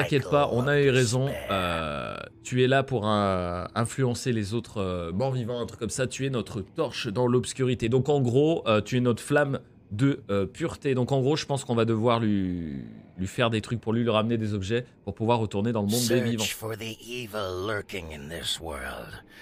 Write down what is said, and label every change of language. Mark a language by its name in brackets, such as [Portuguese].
[French] Et t'inquiète pas, on a eu raison. Tu es là pour influencer les autres morts vivants, un truc comme ça. Tu es notre torche dans l'obscurité. Donc en gros, tu es notre flamme de pureté. Donc en gros, je pense qu'on va devoir lui faire des trucs pour lui ramener des objets pour pouvoir retourner dans le monde des vivants. [English] Search for the evil lurking in this world.